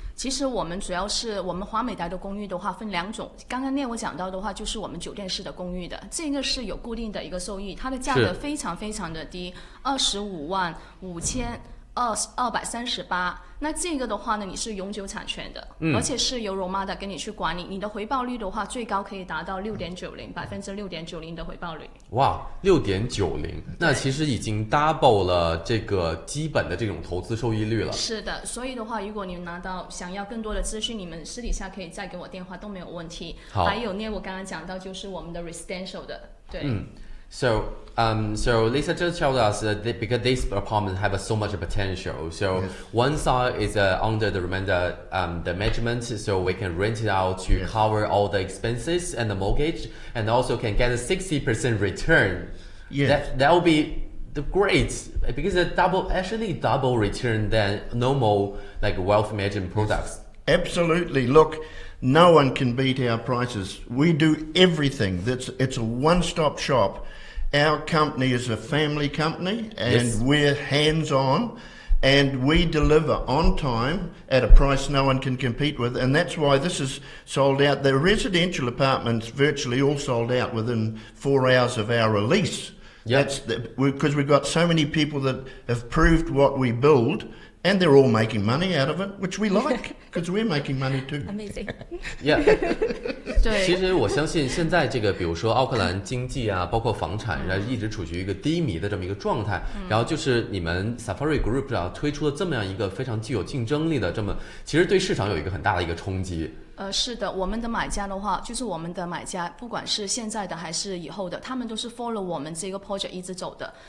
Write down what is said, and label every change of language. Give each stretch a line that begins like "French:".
Chinese: 其实我们主要是我们华美台的公寓的话分两种，刚刚念我讲到的话就是我们酒店式的公寓的，这个是有固定的一个收益，它的价格非常非常的低，25万5238，那这个的话呢你是永久产权的，而且是由 Romada 给你去管理，你的回报率的话最高可以达到 6.90% 的回报率。哇 ,6.90, 那其实已经 double 了这个基本的这种投资收益率了。是的，所以的话如果你们拿到想要更多的资讯，你们私底下可以再给我电话都没有问题。好，还有呢我刚刚讲到就是我们的 residential 的，对。
English: 嗯So, so Lisa just told us that they, because these apartments have so much potential. So one side is under the Romada, the management, so we can rent it out to cover all the expenses and the mortgage, and also can get a 60% return. Yes. That will be the great, because a double, actually double return than normal, like wealth management products. Absolutely. Look. No one can beat our prices. We do everything. It's a one-stop shop. Our company is a family company, and yes. we're hands-on, and we deliver on time at a price no one can compete with, and that's why this is sold out. The residential apartments virtually all sold out within 4 hours of our release. Yep. Because we've got so many people that have proved what we build,And they're all making money out of it, which we like, because we're making money too. Amazing. Yeah.
Chinese: 对。其实我相信现在这个，比如说奥克兰经济啊，包括房产啊，一直处于一个低迷的这么一个状态。然后就是你们 Safari Group 啊，推出了这么样一个非常具有竞争力的这么，其实对市场有一个很大的一个冲击。是的，我们的买家的话，就是我们的买家，不管是现在的还是以后的，他们都是 follow 我们这个 project 一直走的。